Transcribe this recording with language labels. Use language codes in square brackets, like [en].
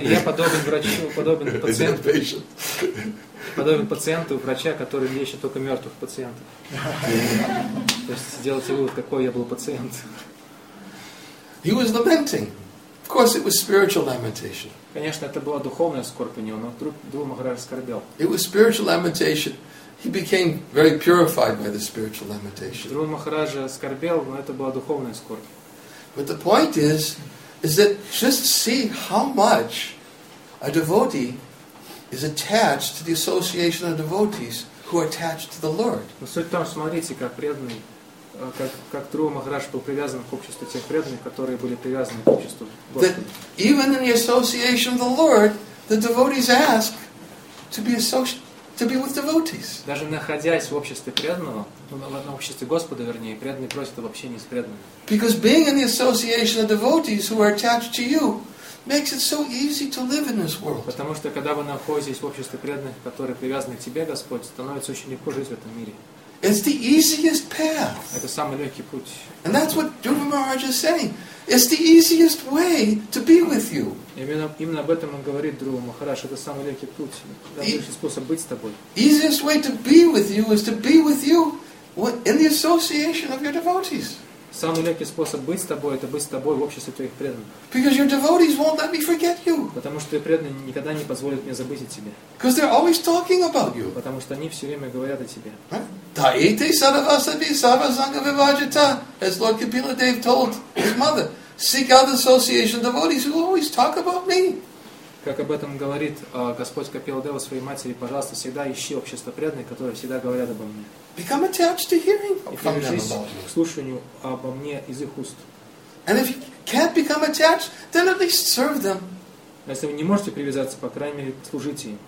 [ru] Я подобен врачу, подобен пациенту. Подобен пациенту врача, который лечит только мертвых пациентов. То есть сделайте вывод, какой я был пациент. [en] He was lamenting. Of course, it was spiritual lamentation. [ru] Конечно, это была духовная скорбь у него, но вдруг Дхрува Махарадж скорбел. [en] It was spiritual lamentation. He became very purified by the spiritual lamentation. [ru] Дхрува Махарадж скорбел, но это была духовная скорбь. [en] But the point is that just see how much a devotee is attached to the association of devotees who are attached to the Lord. [ru] Но суть в том, смотрите, как преданный, как Дхрува Махарадж был привязан к обществу тех преданных, которые были привязаны к обществу Господа. [en] That even in the association of the Lord, the devotees ask to be associated. To be with devotees. [ru] Даже находясь в обществе преданного, в обществе Господа, вернее, преданный просит об общении с преданными. [en] Because being in the association of devotees who are attached to you makes it so easy to live in this world. [ru] Потому что когда вы находитесь в обществе преданных, которые привязаны к тебе, Господь, становится очень легко жить в этом мире. [en] It's the easiest path. [ru] Это самый легкий путь. [en] And that's what Dhruva Maharaj is saying. It's the easiest way to be with you. [ru] Именно об этом он говорит Дхрува Махарадж. Это самый легкий путь, лучший способ быть с тобой. [en] Easiest way to be with you is to be with you in the association of your devotees. [ru] Самый легкий способ быть с тобой — это быть с тобой в обществе твоих преданных. [en] Because your devotees won't let me forget you. [ru] Потому что твои преданные никогда не позволят мне забыть о тебе. [en] Because they're always talking about you. [ru] Потому что они все время говорят о тебе. [sa] Таити саравасави саразанга вивачита, [en] as Lord Kapila Dev told his mother. Seek out the association of devotees who always talk about me. [ru] Как об этом говорит Господь Капиладева своей матери, пожалуйста, всегда ищи общество преданных, которые всегда говорят обо мне. [en] Become attached to hearing from them. [ru] И привяжись к слушанию обо мне из их уст. [en] And if you can't become attached, then at least serve them. [ru] Если вы не можете привязаться, по крайней мере, служите им.